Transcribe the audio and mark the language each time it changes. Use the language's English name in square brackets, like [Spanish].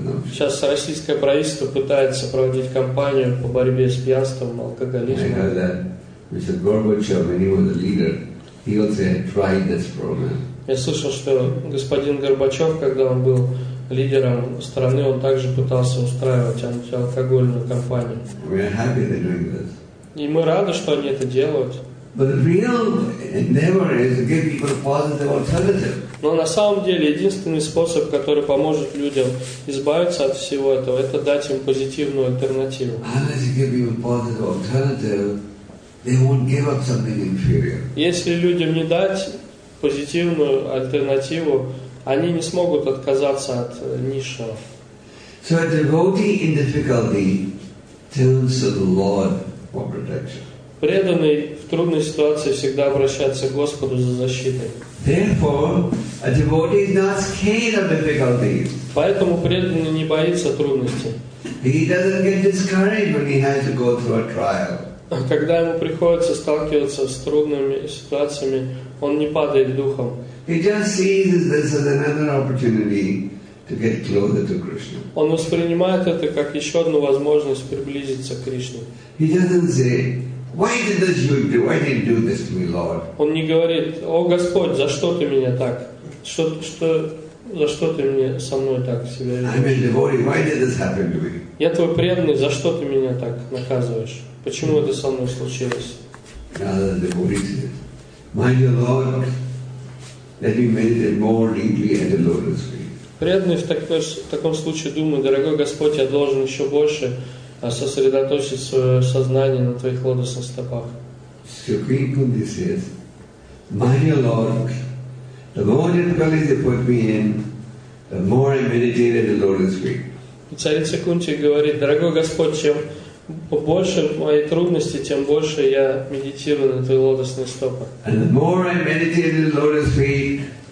[Russian] Сейчас российское правительство пытается проводить кампанию по борьбе с пьянством, алкоголизмом. Я слышал, что господин Горбачев, когда он был лидером страны, он также пытался устраивать антиалкогольную кампанию. [English] We are happy they're doing this. [Russian] И мы рады, что они это делают. [English] But the real endeavor is to give people a positive alternative. [Russian] Но на самом деле единственный способ, который поможет людям избавиться от всего этого, это дать им позитивную альтернативу. [English] Unless you give people a positive alternative, they won't give up something inferior. [Russian] Если людям не дать позитивную альтернативу, они не смогут отказаться от низшего. [English] So a devotee in difficulty turns to the Lord for protection. [Russian] Преданный в трудной ситуации всегда обращается к Господу за защитой. [English] Therefore, a devotee is not scared of difficulties. [Russian] Поэтому преданный не боится трудностей. [English] He doesn't get discouraged when he has to go through a trial. [Russian] Когда ему приходится сталкиваться с трудными ситуациями, он не падает духом. [English] He just sees this as another opportunity to get closer to Krishna. [Russian] Он воспринимает это как еще одну возможность приблизиться к Кришне. [English] He doesn't say, "Why did this you do? Why did you do this to me, Lord?" [Russian] Он не говорит, о Господь, за что ты меня так? Что За что ты мне со мной так себя ведешь? [English] I'm a devotee. Why did this happen to me? [Russian] Я твой преданный. За что ты меня так наказываешь? Почему это со мной случилось? [English] Another devotee said, My dear Lord, let me meditate more deeply at the lotus feet. [Russian] Преданный в таком случае думает, дорогой Господь, я должен еще больше сосредоточить свое сознание на твоих лотосных стопах. [English] Supreme Kundi says, My dear Lord, the more difficulties you put me in, the more I meditate at the lotus feet. [Russian] Царица Кунти говорит, дорогой Господь, чем больше мои трудности, тем больше я медитирую на твои лотосные стопы. [English] And the more I meditate at the lotus feet,